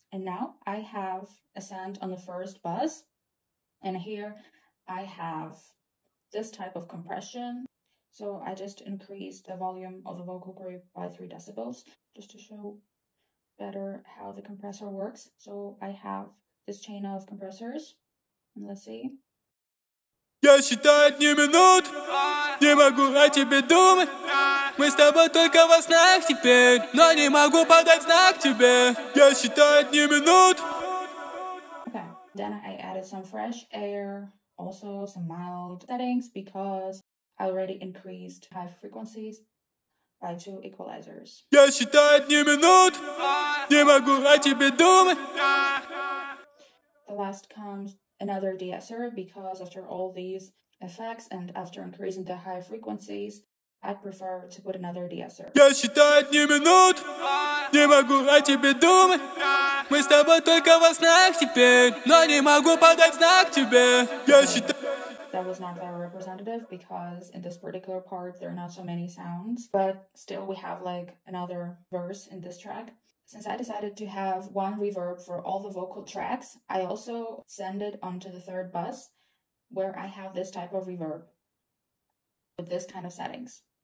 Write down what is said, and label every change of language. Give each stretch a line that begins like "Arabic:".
English: And now I have a send on the first buzz, and here I have this type of compression. So I just increased the volume of the vocal group by 3 decibels, just to show better how the compressor works. So I have this chain of compressors, and let's see.
Russian: Я считаю дни минут, не могу о тебе думать. Мы с тобой только во снах теперь, но не могу подать знак тебе. Я считаю дни минут.
English: Okay, then I added some fresh air, also some mild settings because I already increased high frequencies by 2 equalizers.
Russian: Я считаю дни минут, не могу о тебе думать.
English: The last comes another de-esser, because after all these effects and after increasing the high frequencies, I prefer to put another de-esser.
Russian: Я считаю дни минут, не могу о тебе думать. Мы с тобой только во снах теперь, но не могу подать знак тебе. Я считаю...
English: That was not very representative, because in this particular part there are not so many sounds, but still we have like another verse in this track. Since I decided to have one reverb for all the vocal tracks, I also send it onto the third bus, where I have this type of reverb with this kind of settings.